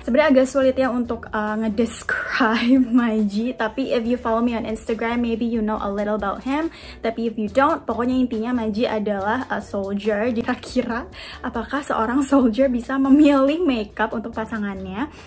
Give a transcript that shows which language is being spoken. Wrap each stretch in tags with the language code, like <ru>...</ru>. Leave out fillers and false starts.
<id>Sebenarnya agak sulit ya untuk ngedescribe my G.</id> <en>Tapi if you follow me on Instagram, maybe you know a little about him. Tapi if you don't,</en> <id>pokoknya intinya</id> <en>Maji</en> <id>adalah</id> <en>a soldier.</en> <id>Jadi kira-kira apakah seorang soldier bisa memilih makeup untuk pasangannya?</id>